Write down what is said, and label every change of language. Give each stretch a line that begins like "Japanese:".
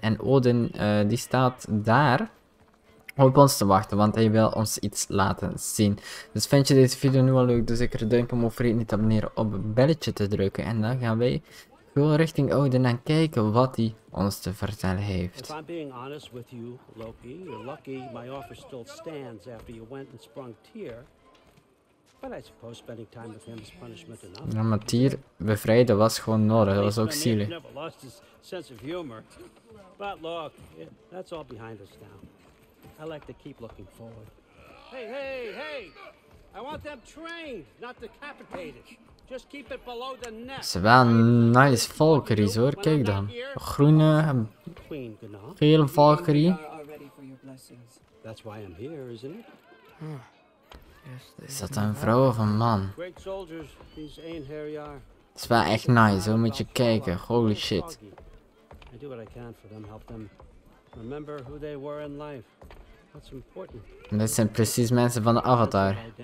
Dutch: En Odin die staat daar op ons te wachten, want hij wil ons iets laten zien. Dus vind je deze video nu wel leuk, doe zeker een duimpje omhoog, vergeet niet te abonneren op het belletje te drukken. En dan gaan wij gewoon richting Odin en kijken wat hij ons te vertellen heeft.
English: If I'm being honest with you, Loki, you're lucky my offer still stands after you went and sprung Tyr. But I suppose spending time with him is punishment enough.
Dutch: Ja, maar Tyr bevrijden was gewoon nodig, dat was ook zielig.
English: Never lost his sense of humor. But look, that's all behind us now. I like to keep looking forward. Hey! I want them trained, not decapitated. Just keep it below the neck.
Dutch: Ze waren nice valkyries hoor, kijk dan. Groene, geel valkyrie.
English: That's why I'm here, isn't it?
Dutch: Is dat een vrouw of een man?
English: Great soldiers, these ain't here are.
Dutch: Het is wel echt nice, hoor, moet je kijken.
English: Holy shit. I do what I can for them, help them remember who they were in life. What's important?
Dutch: Dit zijn precies mensen van de Avatar.